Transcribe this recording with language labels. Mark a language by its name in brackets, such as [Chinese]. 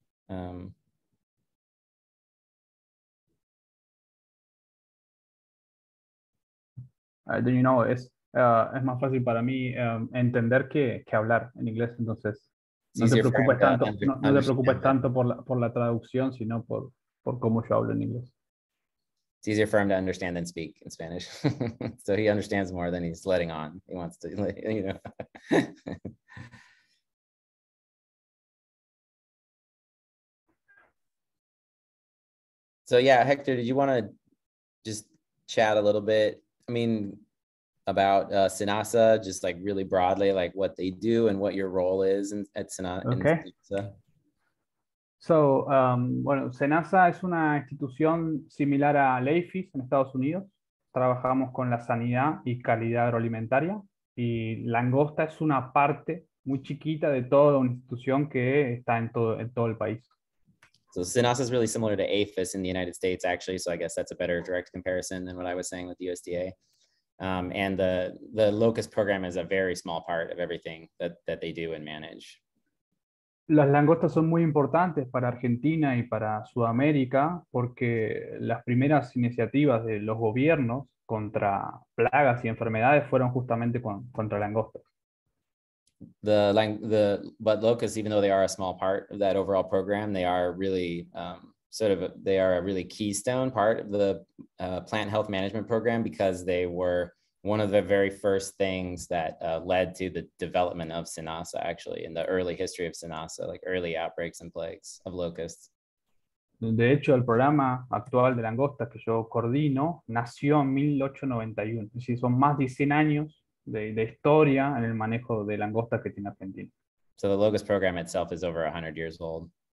[English] Do you know? [Spanish] Es más fácil para mí entender que hablar en inglés. Entonces, no te preocupes tanto por la traducción, sino por cómo yo hablo en inglés. [English] It's easier for him to understand than speak in Spanish. So he understands more than he's letting on. He wants to, you know. So yeah, Hector, did you want to just chat a little bit? I mean, about SENASA, just like really broadly, like what they do and what your role is at SENASA. Okay. [Spanish] So, bueno, SENASA es una institución similar a LEIFIS en Estados Unidos. Trabajamos con la sanidad y calidad agroalimentaria. Y langosta es una parte muy chiquita de toda una institución que está en todo el país. [English] So SENASA is really similar to AFIS in the United States, actually. So I guess that's a better direct comparison than what I was saying with the USDA. And the locust program is a very small part of everything that they do and manage. [Spanish] Las langostas son muy importantes para Argentina y para Sudamérica porque las primeras iniciativas de los gobiernos contra plagas y enfermedades fueron justamente contra langostas. [English] But locusts, even though they are a small part of that overall program, they are really they are a really keystone part of the plant health management program because they were one of the very first things that led to the development of SENASA, actually, in the early history of SENASA, like early outbreaks and plagues of locusts. [Spanish] De hecho, el programa actual de langosta que yo coordino nació en 1891. Es decir, son más de 100 años de historia en el manejo de langosta que tiene Argentina. [English] So the locust program itself is over 100 years old.